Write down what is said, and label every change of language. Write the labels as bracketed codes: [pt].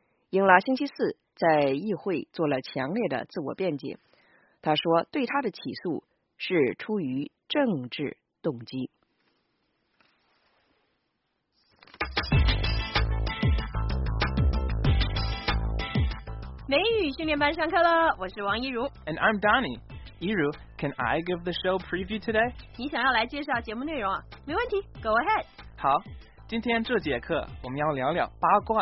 [zh] 英拉星期四在议会做了强烈的自我辩解，他说对他的起诉是出于政治动机。美语训练班上课了，我是王一如。 [en] And I'm Donnie. 一如 can I give the show preview today? [zh] 你想要来介绍节目内容啊？没问题， [en] go ahead. [zh] 好，今天这节课我们要聊聊八卦。